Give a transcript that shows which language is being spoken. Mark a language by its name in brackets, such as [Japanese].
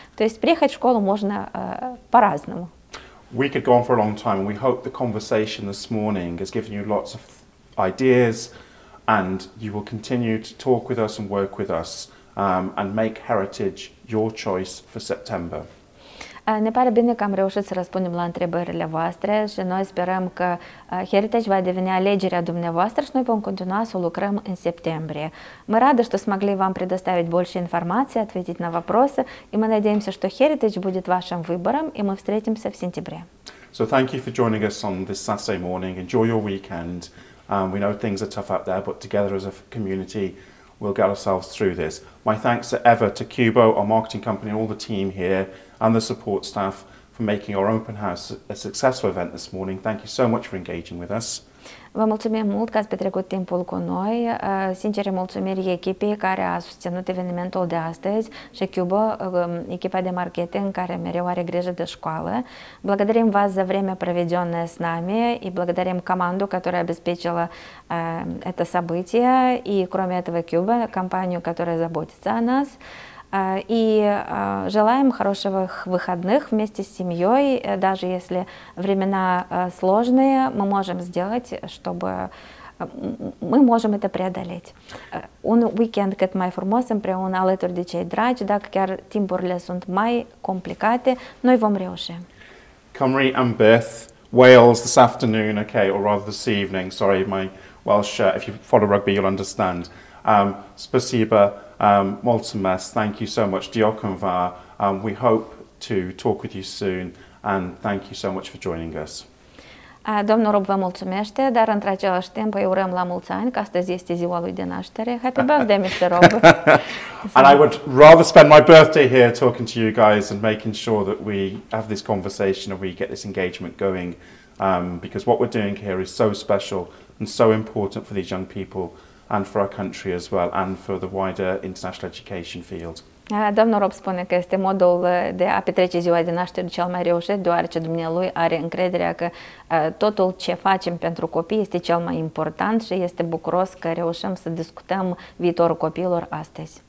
[Russian] То есть приехать в школу можно по-разному. [English] We could go on for a long time. We hope the conversation this morning has given you lots of ideas, and you will continue to talk with us and work with us and make Heritage your choice for September. [Romanian] Ne pare bine că am reușit să răspundem la întrebările voastre și noi sperăm că Heritage va deveni alegerea dumneavoastră și noi vom continua să lucrăm în septembrie. [Russian] Мы рады, что смогли вам предоставить больше информации, ответить на вопросы, и мы надеемся, что Heritage будет вашим выбором, и мы встретимся в сентябре. [English] So thank you for joining us on this Saturday morning. Enjoy your weekend. We know things are tough out there, but together as a community, we'll get ourselves through this. My thanks are ever to Cubo, our marketing company, and all the team here, and the support staff for making our open house a successful event this morning. Thank you so much for engaging with us. [Romanian] Vă mulțumim mult că ați petrecut timpul cu noi. Sincere mulțumiri echipei care a susținut evenimentul de astăzi și Cubo, echipa de marketing care mereu are grijă de școală. [Russian] Благодарим вас за время, проведенное с нами, и благодарим команду, которая обеспечила это событие, и кроме этого Cubo, компанию, которая заботится о нас. И желаем хороших выходных вместе с семьей, даже если времена сложные, мы можем сделать, чтобы мы можем это преодолеть. [Romanian] Un weekend cât mai frumos împreună alături de cei dragi, dacă chiar timpurile sunt mai complicate, noi vom reuși. [English] Cymru and Beth, Wales this afternoon, okay, or rather this evening, sorry, my Welsh, if you follow rugby, you'll understand. Spasiba, Moltemes, thank you so much. [Welsh] Diolch yn fawr. [English] We hope to talk with you soon, and thank you so much for joining us. [Romanian] Domnul Rob vă mulțumește, dar într același timp îi urăm la mulți ani, că astăzi este ziua lui de naștere. [English] Happy birthday, Mr. Rob. And I would rather spend my birthday here talking to you guys and making sure that we have this conversation and we get this engagement going, because what we're doing here is so special and so important for these young people, and for our country as well, and for the wider international education field. [Romanian] Domnul Rob spune că este modul de a petrece ziua de naștere cel mai reușit, deoarece dumnealui are încrederea că totul ce facem pentru copii este cel mai important și este bucuros că reușim să discutăm viitorul copiilor astăzi.